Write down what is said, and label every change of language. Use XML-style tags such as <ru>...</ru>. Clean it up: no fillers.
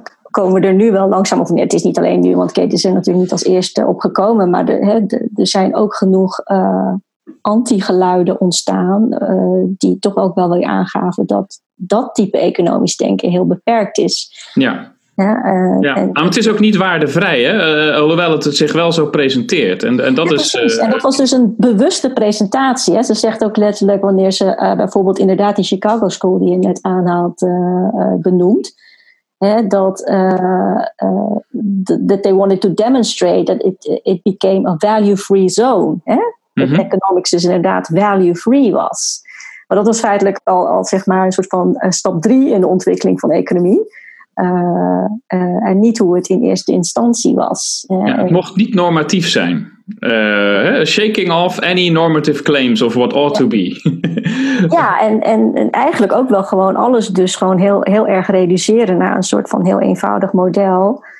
<nl>Komen we er nu wel langzaam, of nee, het is niet alleen nu, want Kate is er natuurlijk niet als eerste opgekomen, maar er zijn ook genoeg antigeluiden ontstaan die toch ook wel weer aangaven dat dat type economisch denken heel beperkt is. Ja. Maar het is ook niet waardevrij, hè? Hoewel het zich wel zo presenteert. En dat was dus een bewuste presentatie. Hè? Ze zegt ook letterlijk wanneer ze bijvoorbeeld inderdaad die Chicago School die je net aanhaalt benoemt.</nl> <en>that they wanted to demonstrate that it became a value-free zone. Mm-hmm. That economics is</en> <nl>inderdaad</nl> <en>value-free</en> <nl>was. Maar dat was feitelijk al zeg maar een soort van stap 3 in de ontwikkeling van de economie. En niet hoe het in eerste instantie was. Het mocht niet normatief zijn.</nl> <en>Shaking off any normative claims of what ought to be.</en> <nl>Ja, en eigenlijk ook wel gewoon alles dus gewoon heel, heel erg reduceren naar een soort van heel eenvoudig model.</nl>